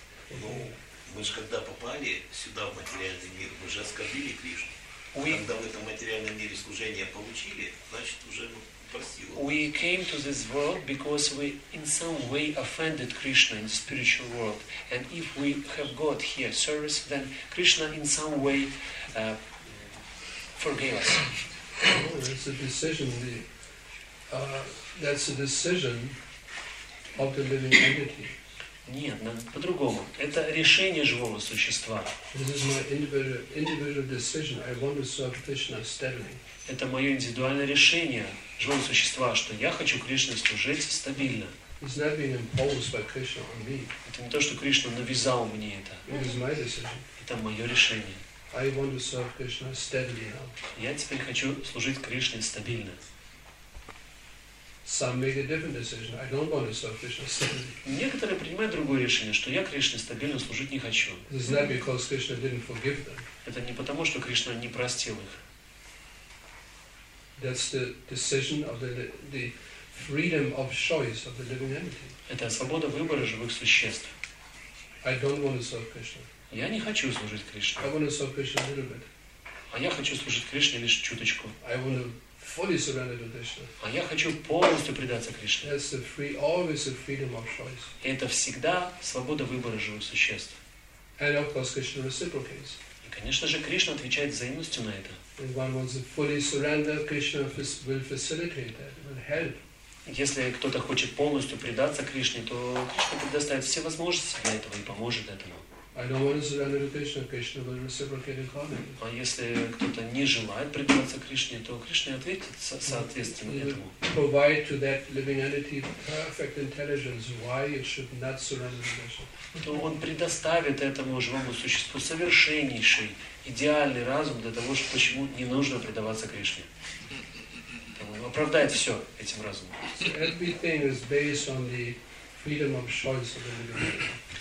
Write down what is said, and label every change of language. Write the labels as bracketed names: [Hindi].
[Russian] Ну, мы же когда попали сюда, в материальный мир, мы же оскорбили Кришну. Когда в этом материальном мире служение получили, значит, уже простил. [English] We came to this world because we in some way offended Krishna in the spiritual world. And if we have got here service, then Krishna in some way forgave us. That's a decision. That's a decision of the living entity. [Russian] Нет, по-другому. Это решение живого существа. [English] This is my individual decision. I want to serve Krishna steadily. [Russian] Это мое индивидуальное решение живого существа, что я хочу Кришне служить стабильно. [English] It's not being imposed by Krishna on me. [Russian] Это не то, что Кришна навязал мне это. [English] It is my decision. [Russian] Это мое решение. [English] I want to serve Krishna steadily now. [Russian] Я теперь хочу служить Кришне стабильно. [English] Some make a different decision. I don't want to serve Krishna steadily. [Russian] Некоторые принимают другое решение, что я Кришне стабильно служить не хочу. [English] It's not because Krishna didn't forgive them. [Russian] Это не потому, что Кришна не простил их. [English] That's the decision of the freedom of choice of the living entity. [Russian] Это свобода выбора живых существ. [English] I don't want to serve Krishna. [Russian] Я не хочу служить Кришне. [English] I want to serve Krishna a little bit. [Russian] А я хочу служить Кришне лишь чуточку. [English] I want to fully surrender to Krishna. [Russian] А я хочу полностью предаться Кришне. [English] That's the free, always the freedom of choice. [Russian] И это всегда свобода выбора живых существ. [English] And of course, Krishna reciprocates. [Russian] И, конечно же, Кришна отвечает взаимностью на это. [English] If one wants to fully surrender, Krishna will facilitate that, will help. [Russian] Если кто-то хочет полностью предаться Кришне, то Кришна предоставит все возможности для этого и поможет этому. [English] I don't want to surrender to Krishna. Krishna will reciprocate accordingly. [Russian] А если кто-то не желает предаться Кришне, то Кришна ответит соответственно этому. [English] Provide to that living entity perfect intelligence why it should not surrender to Krishna. [Russian] То он предоставит этому живому существу совершеннейший, идеальный разум для того, чтобы почему не нужно предаваться Кришне. Он оправдает все этим разумом. [English] Everything is based on the freedom of choice of the living entity.